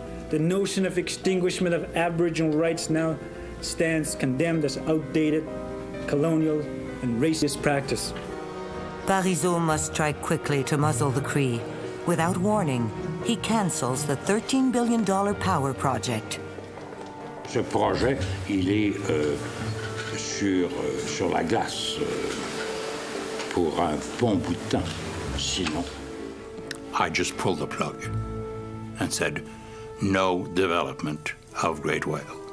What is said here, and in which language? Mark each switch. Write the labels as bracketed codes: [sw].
[en] The notion of extinguishment of Aboriginal rights now stands condemned as outdated, colonial, and racist practice. Parizeau must strike quickly to muzzle the Cree. Without warning, he cancels the $13 billion power project. [fr] Ce projet, il est sur la glace pour un bon bout de temps, sinon. [en] I just pulled the plug and said, no development of Great Whale.